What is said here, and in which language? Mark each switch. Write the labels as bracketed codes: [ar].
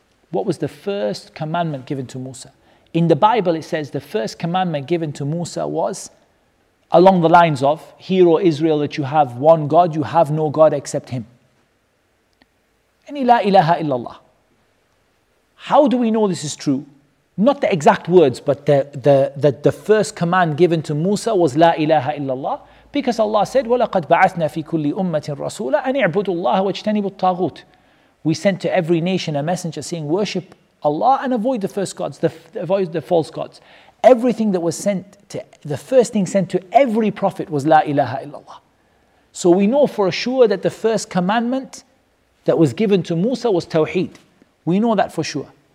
[en] What was the first commandment given to Musa? In the Bible it says the first commandment given to Musa was along the lines of, hear, O Israel, that you have one God, you have no God except Him. And [ar] la ilaha illallah. [en] How do we know this is true? Not the exact words, but the first command given to Musa was la ilaha illallah. Because Allah said, [ar] وَلَقَدْ بَعَثْنَا فِي كُلِّ أُمَّةٍ رَسُولًا أَنِ اعْبُدُوا اللَّهَ وَاجْتَنِبُوا الطَّاغُوتِ. [en] We sent to every nation a messenger saying, worship Allah and avoid the first gods, avoid the false gods. Everything that was sent to, the first thing sent to every prophet was La ilaha illallah. So we know for sure that the first commandment that was given to Musa was Tawheed. We know that for sure.